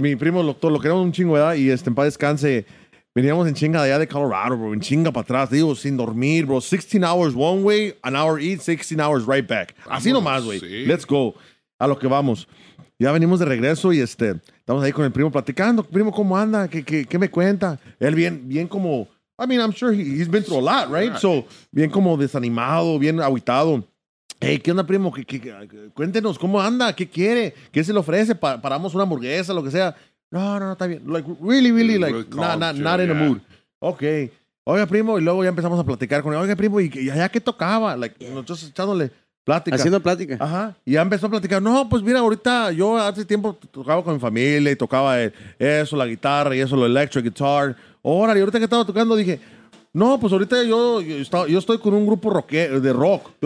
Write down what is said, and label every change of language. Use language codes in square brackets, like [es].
[es] Mi primo, el doctor, lo queremos un chingo, ¿verdad? Y este, en paz descanse. Veníamos en chinga de allá de Colorado, bro. En chinga para atrás, digo, sin dormir, bro. [en] 16 hours one way, an hour each, 16 hours right back. Así vamos, nomás, güey. Sí. Let's go. A lo que vamos. [es] Ya venimos de regreso y este, estamos ahí con el primo platicando. Primo, ¿cómo anda? ¿Qué me cuenta? Él bien como... [en] I mean, I'm sure he's been through a lot, right? [es] So, bien como desanimado, bien aguitado. Hey, ¿qué onda, primo? ¿Qué, cuéntenos, ¿cómo anda? ¿Qué quiere? ¿Qué se le ofrece? ¿Paramos una hamburguesa, lo que sea? No, está bien. [en] Like, really, really, like, not in a mood. Okay. [es] Oiga, primo, y luego ya empezamos a platicar con él. Oiga, primo, ¿y allá qué tocaba? Like, nosotros echándole plática. Haciendo plática. Ajá. Y ya empezó a platicar. No, pues mira, ahorita yo hace tiempo tocaba con mi familia y tocaba eso, la guitarra y eso, lo electric guitar. Órale, ahorita que estaba tocando dije, no, pues ahorita yo estoy con un grupo de rock.